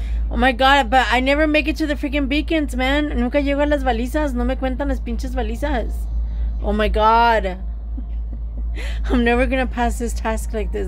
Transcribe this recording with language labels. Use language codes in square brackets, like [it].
[en] Oh my god, but I never make it to the freaking beacons, man. [es] Nunca llego a las balizas, no me cuentan las pinches balizas. [en] Oh my god. I'm never gonna pass this task like this.